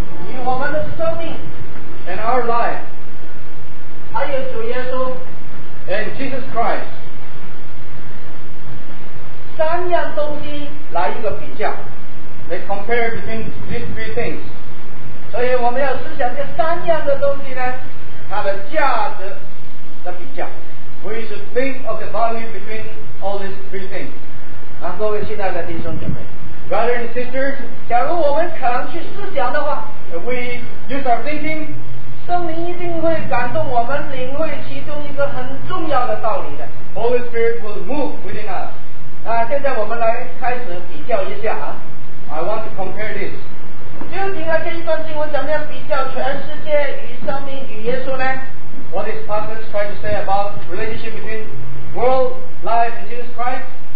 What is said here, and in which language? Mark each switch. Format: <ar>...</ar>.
<zh>与我们的生命,</zh> <en>and our life,</en> <zh>还有主耶稣,</zh> <en>and Jesus Christ,</en> <zh>三样东西来一个比较,</zh> <en>they compare between these three things.</en> <zh>所以我们要思想这三样的东西呢, 它的价值的比较。</zh> <en>We should think of the value between all these three things.</en> <zh>啊,各位亲爱的弟兄姐妹,</zh> <en>brothers and sisters,</en> <zh>假如我们肯去思想的话,</zh> <en>if we use our thinking,</en> <zh>圣灵一定会感动我们, 领会其中一个很重要的道理的。</zh> <en>Holy Spirit will move within us.</en> <zh>啊,现在我们来开始比较一下啊。</zh> <en>I want to compare this.</en> <zh>究竟这一段经文怎么样比较全世界与生命与耶稣呢?</zh> <en>What is passage trying to say about relationship between world, life, and Jesus Christ?</en>